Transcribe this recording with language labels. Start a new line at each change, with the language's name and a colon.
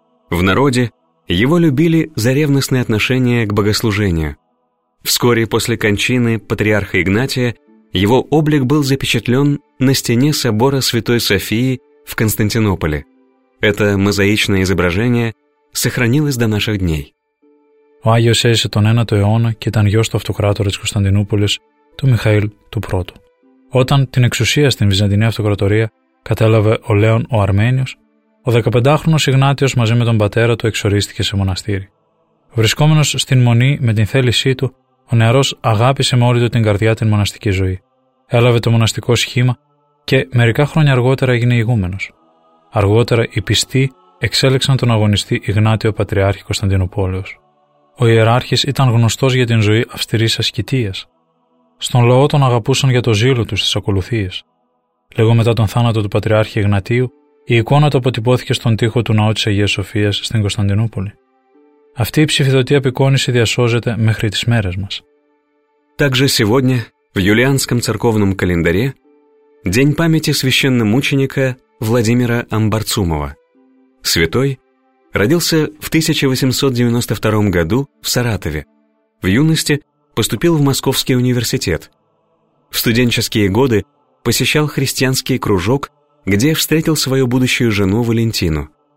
Russian: В народе его любили за ревностные отношения к богослужению. Вскоре после кончины патриарха Игнатия его облик был запечатлен на стене собора Святой Софии в Константинополе. Это мозаичное изображение сохранилось до наших дней.
Greek: Ο Άγιος έζησε τον 9ο αιώνα και ήταν γιος του αυτοκράτορα της Κωνσταντινούπολης, του Μιχαήλ του Πρώτου. Όταν την εξουσία στην Βυζαντινή Αυτοκρατορία κατέλαβε ο Λέων ο Αρμένιος, ο 15χρονος Ιγνάτιος μαζί με τον πατέρα του εξορίστηκε σε μοναστήρι. Βρισκόμενος στην μονή με την θέλησή του, ο νεαρός αγάπησε με όλη του την καρδιά την μοναστική ζωή. Έλαβε το μοναστικό σχήμα και μερικά χρόνια αργότερα έγινε ηγούμενος. Αργότερα οι πιστοί εξέλεξαν τον αγωνιστή Ιγνάτιο Πατριάρχη Κωνσταντινουπόλεως. Ο ιεράρχης ήταν γνωστός για την ζωή αυστηρής ασκητείας. Στον λαό τον αγαπούσαν για το ζήλο του στις ακολουθίες. Λίγο μετά τον θάνατο του Πατριάρχη Ιγνατίου, η εικόνα του αποτυπώθηκε στον τοίχο του ναού της Αγίας Σοφίας στην Κωνσταντινούπολη. Αυτή η ψηφιδωτή απεικόνηση διασώζεται μέχρι τις μέρες μας.
Russian: Также сегодня в юлианском церковном календаре день памяти священномученика Владимира Амбарцумова. Святой родился в 1892 году в Саратове. В юности поступил в Московский университет. В студенческие годы посещал христианский кружок, где встретил свою будущую жену Валентину.